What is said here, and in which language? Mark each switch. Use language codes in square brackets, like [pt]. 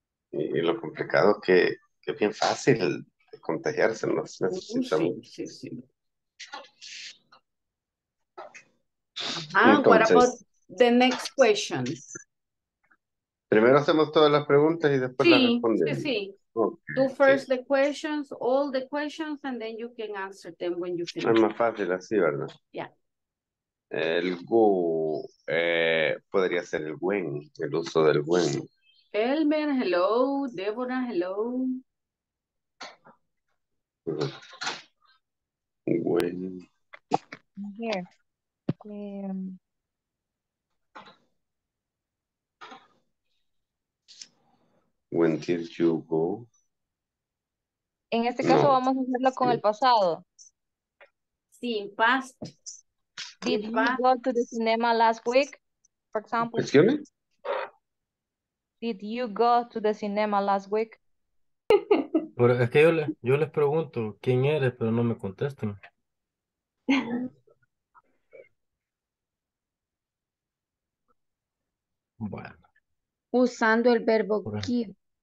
[es] Y lo complicado es que es bien fácil contagiarse, ¿no? Necesitamos. Sí. [en] Entonces, what about the next questions? [es] Primero hacemos todas las preguntas y después las respondemos. Sí, sí. Okay. [en] Do first the questions, all the questions, and then you can answer them when you finish. [es] Es más fácil así, ¿verdad? [en] Yeah. [es] El go, podría ser el when, el uso del when. [en] Elmer, hello. Débora, hello. When. Here. When did you go? [es] En este caso vamos a hacerlo con el pasado. Sí, past. [en] Did you go to the cinema last week? For example. Excuse me? Did you go to the cinema last week? [es] Pero es que yo les pregunto quién eres, pero no me contestan. Bueno. Usando el verbo give.